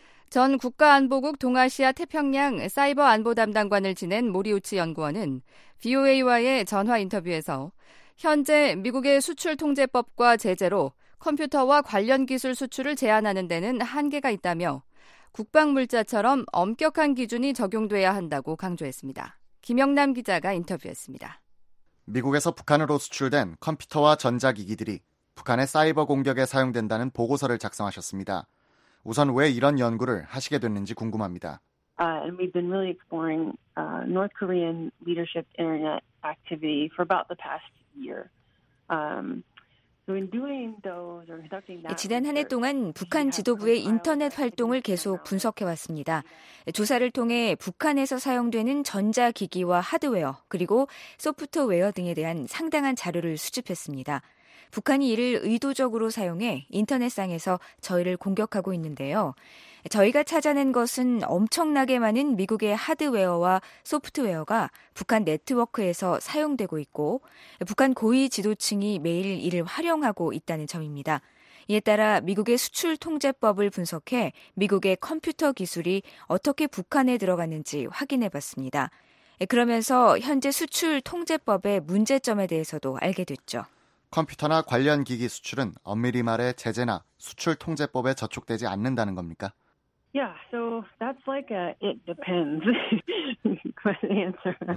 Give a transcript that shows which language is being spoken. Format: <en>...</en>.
<ko>전 국가안보국 동아시아 태평양 사이버 안보 담당관을 지낸 모리우치 연구원은 VOA와의 전화 인터뷰에서 현재 미국의 수출 통제법과 제재로 컴퓨터와 관련 기술 수출을 제한하는 데는 한계가 있다며 국방물자처럼 엄격한 기준이 적용돼야 한다고 강조했습니다. 김영남 기자가 인터뷰했습니다. 미국에서 북한으로 수출된 컴퓨터와 전자기기들이 북한의 사이버 공격에 사용된다는 보고서를 작성하셨습니다. 우선 왜 이런 연구를 하시게 됐는지 궁금합니다.</ko> <en>And we've been really exploring North Korean leadership internet activity for about the past year. So in doing those or conducting that,</en> <ko>지난 한 해 동안 북한 지도부의 인터넷 활동을 계속 분석해 왔습니다. 조사를 통해 북한에서 사용되는 전자 기기와 하드웨어 그리고 소프트웨어 등에 대한 상당한 자료를 수집했습니다. 북한이 이를 의도적으로 사용해 인터넷상에서 저희를 공격하고 있는데요. 저희가 찾아낸 것은 엄청나게 많은 미국의 하드웨어와 소프트웨어가 북한 네트워크에서 사용되고 있고 북한 고위 지도층이 매일 이를 활용하고 있다는 점입니다. 이에 따라 미국의 수출 통제법을 분석해 미국의 컴퓨터 기술이 어떻게 북한에 들어갔는지 확인해봤습니다. 그러면서 현재 수출 통제법의 문제점에 대해서도 알게 됐죠. 컴퓨터나 관련 기기 수출은 엄밀히 말해 제재나 수출 통제법에 저촉되지 않는다는 겁니까?</ko> <en>Yeah, so that's like a it depends. Good answer.</en>